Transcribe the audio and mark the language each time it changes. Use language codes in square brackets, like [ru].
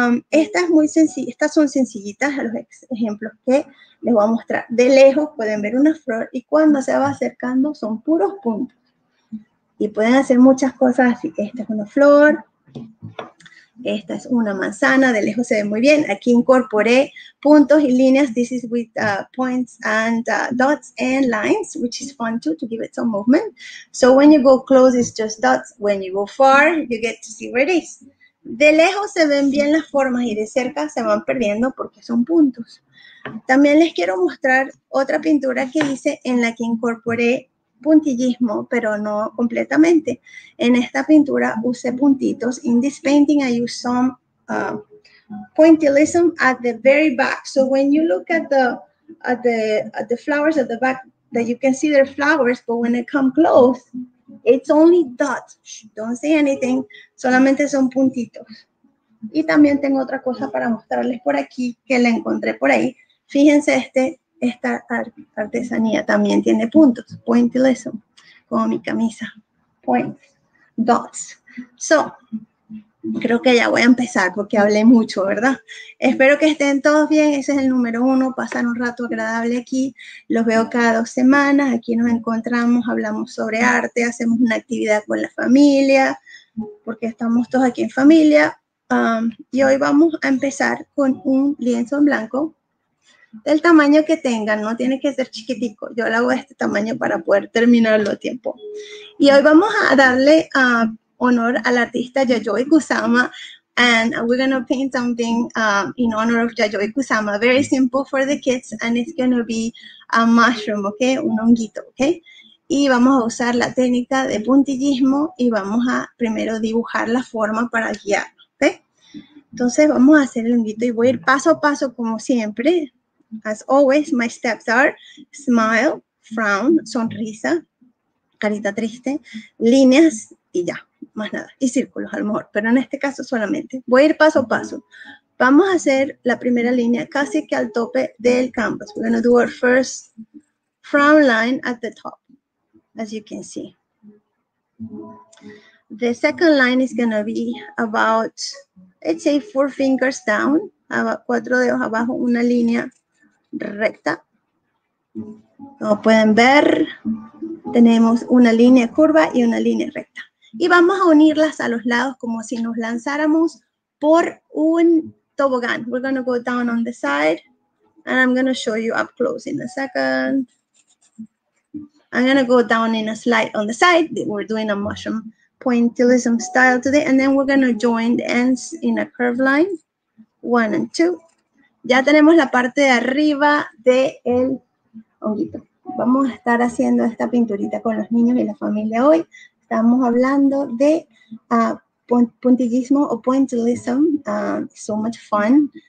[es] Esta es muy sencilla, estas son sencillitas, los ejemplos que les voy a mostrar. De lejos pueden ver una flor y cuando se va acercando son puros puntos. Y pueden hacer muchas cosas así. Esta es una flor. Esta es una manzana, de lejos se ve muy bien. Aquí incorporé puntos y líneas. [en] This is with points and dots and lines, which is fun too, to give it some movement. So when you go close, it's just dots. When you go far, you get to see where it is. [es] De lejos se ven bien las formas y de cerca se van perdiendo porque son puntos. También les quiero mostrar otra pintura que hice en la que incorporé puntillismo, pero no completamente. En esta pintura usé puntitos. [en] In this painting, I use some pointillism at the very back. So when you look at the flowers at the back, that you can see they're flowers, but when they come close, it's only dots. Don't say anything. [es] Solamente son puntitos. Y también tengo otra cosa para mostrarles por aquí que la encontré por ahí. Fíjense esta artesanía también tiene puntos, pointillism, como mi camisa, points, dots. So, creo que ya voy a empezar porque hablé mucho, ¿verdad? Espero que estén todos bien, ese es el número uno, pasar un rato agradable aquí. Los veo cada dos semanas, aquí nos encontramos, hablamos sobre arte, hacemos una actividad con la familia, porque estamos todos aquí en familia. Y hoy vamos a empezar con un lienzo en blanco. Del tamaño que tengan, no tiene que ser chiquitico. Yo lo hago de este tamaño para poder terminarlo a tiempo. Y hoy vamos a darle honor al artista Yayoi Kusama [en] And we're going to paint something in honor of Yayoi Kusama. Very simple for the kids. And it's going to be a mushroom, okay? [es] Un honguito, okay? Y vamos a usar la técnica de puntillismo y vamos a primero dibujar la forma para guiarlo, ¿ok? Entonces vamos a hacer el honguito y voy a ir paso a paso como siempre. [en] As always, my steps are smile, frown, [es] sonrisa, carita triste, líneas y ya, más nada. Y círculos a lo mejor, pero en este caso solamente. Voy a ir paso a paso. Vamos a hacer la primera línea casi que al tope del canvas. [en] We're going to do our first frown line at the top. As you can see, the second line is going to be about, let's say, four fingers down, about [es] cuatro dedos abajo, una línea recta. Como pueden ver, tenemos una línea curva y una línea recta. Y vamos a unirlas a los lados como si nos lanzáramos por un tobogán. [en] We're going to go down on the side, and I'm going to show you up close in a second. I'm going to go down in a slide on the side. We're doing a mushroom pointillism style today. And then we're going to join the ends in a curved line. One and two. [es] Ya tenemos la parte de arriba del honguito. Vamos a estar haciendo esta pinturita con los niños y la familia hoy. Estamos hablando de puntillismo o pointillism. [en] So much fun.